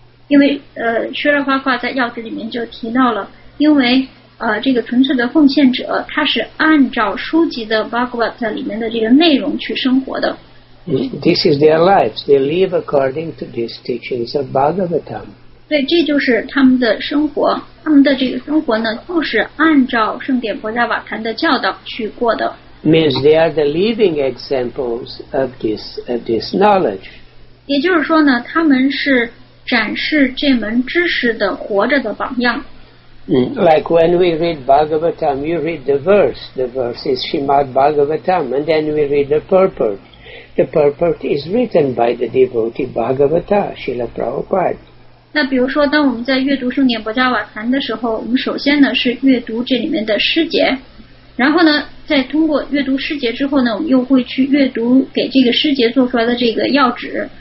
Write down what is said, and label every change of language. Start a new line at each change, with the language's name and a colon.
Chinese: 因为Srila Prabhupada 在要旨里面就提到了，因为这个纯粹的奉献者，他是按照书籍的 Bhagavata 里面的这个内容去生活的。
English: This is their lives. They live according to these teachings of Bhagavata.
Chinese: 对，这就是他们的生活。他们的这个生活呢，就是按照圣典博加瓦坛的教导去过的。
English: Means they are the living examples of this knowledge.
Chinese: 也就是说呢，他们是展示这门知识的活着的榜样。
English: Like when we read Bhagavatam, you read the verse is Srimad Bhagavatam, and then we read the purport. The purport is written by the devotee Bhagavata, Srila Prabhupada.
Chinese: 那比如说当我们在阅读圣典博加瓦坛的时候，我们首先呢是阅读这里面的诗节，然后呢再通过阅读诗节之后呢，我们又会去阅读给这个诗节做出来的这个要旨。